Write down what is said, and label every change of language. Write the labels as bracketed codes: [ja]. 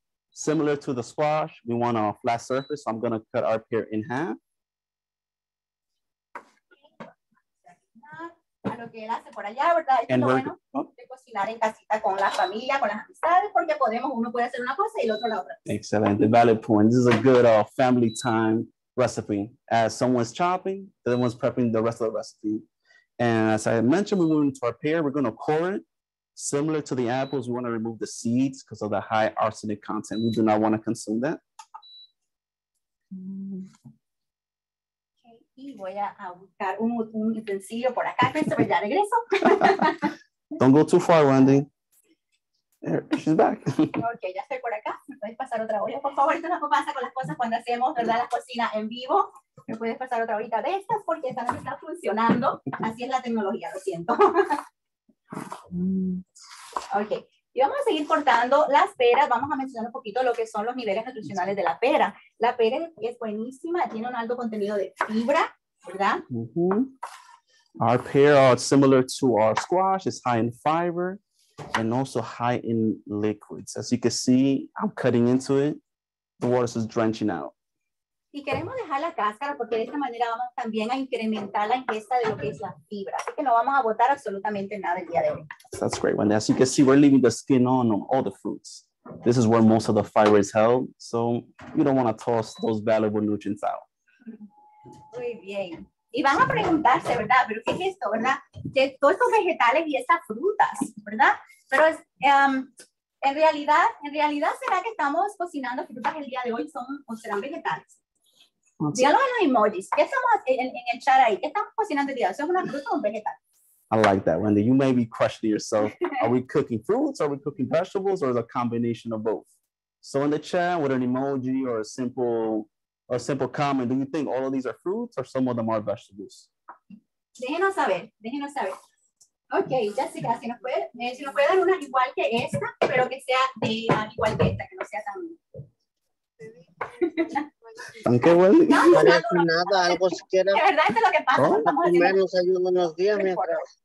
[en] Similar to the squash, we want a flat surface. So I'm going to cut our pear in half. [es] A lo que él hace por allá, ¿verdad? [en] And [es] bueno, cocinar en casita con la familia, con las amistades, porque podemos, uno puede hacer una cosa y el otro la otra. [en] Excellent. The valid point. This is a good family time recipe. As someone's chopping, the other one's prepping the rest of the recipe. And as I mentioned, we're moving to our pear. We're going to core it. Similar to the apples, we want to remove the seeds because of the high arsenic content. We do not want to consume that. [es] Okay, y voy a buscar un utensilio por acá, Christopher, ya regreso. [en] Don't go too far, Wendy. There, she's back. [es] Okay, ya estoy por acá. ¿Me puedes pasar otra olla, por favor? Esto no pasa con las cosas cuando hacemos, ¿verdad? La cocina en vivo. ¿Me puedes pasar otra olla de estas? Porque esta no está funcionando. Así es la tecnología, lo siento. Okay, Y vamos a seguir cortando las peras. Vamos a mencionar un poquito lo que son los niveles nutricionales de la pera. La pera es buenísima, tiene un alto contenido de fibra, ¿verdad? [en] Mm-hmm. Our pear are similar to our squash. It's high in fiber and also high in liquids. As you can see, I'm cutting into it. The water is drenching out. [es] Y queremos dejar la cáscara porque de esta manera vamos también a incrementar la ingesta de lo que es la fibra. Así que no vamos a botar absolutamente nada el día de hoy. [en] That's great, Wendy. As you can see, we're leaving the skin on all the fruits. This is where most of the fiber is held. So you don't want to toss those valuable nutrients out. [es] Muy bien. Y van a preguntarse, ¿verdad? ¿Pero qué es esto, verdad? De todos estos vegetales y estas frutas, ¿verdad? Pero es... En realidad, ¿será que estamos cocinando frutas el día de hoy son o serán vegetales? Díganlo en los emojis. ¿Qué estamos en el chat ahí? ¿Qué estamos cocinando el día? ¿Es una fruta o un vegetal? [en] I like that, Wendy. You may be questioning yourself. Are we cooking fruits? Are we cooking vegetables? Or is it a combination of both? So in the chat, with an emoji or a simple comment, do you think all of these are fruits or some of them are vegetables? [es] Déjenos saber. Ok, Jessica, si nos puede dar una igual que esta, pero que sea de igual que esta, que no sea tan... Aunque bueno, no parece nada, algo siquiera. De verdad, esto es lo que pasa. ¿No? Estamos haciendo. Menos ayuno unos días mientras.